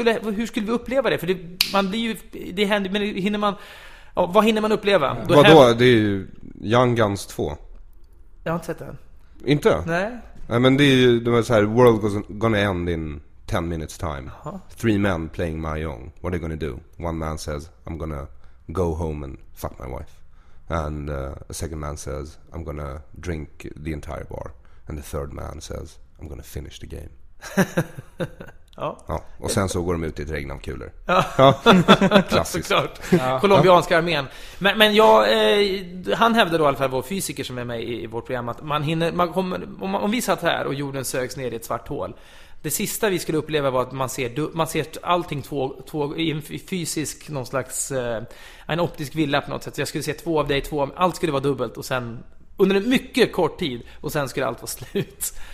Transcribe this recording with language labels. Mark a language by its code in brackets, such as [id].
[sv] Hur skulle vi uppleva det? För man blir ju, det händer, men hinner man, vad hinner man uppleva? Ja. Vadå? Det är ju Young Guns 2. Jag har inte sett den. Inte? Nej. Nej, men det är ju det var så här, [en] world gonna end in 10 minutes time. [sv] Aha. [en] Three men playing mahjong. What are they gonna do? One man says, I'm gonna go home and fuck my wife. And a second man says, I'm gonna drink the entire bar. And the third man says, I'm gonna finish the game. [sv] Ja. Och sen så går de ut i ett regn av kulor. Klassiskt. Såklart. Kolumbianska armén. Men jag, han hävdar då i alla fall, vår fysiker som är med i vårt program, att om vi satt här och jorden sögs ner i ett svart hål, det sista vi skulle uppleva var att man ser allting två i en fysisk, någon slags en optisk villa på något sätt. Så jag skulle se två av dig, två av, allt skulle vara dubbelt och sen under en mycket kort tid och sen skulle allt vara slut.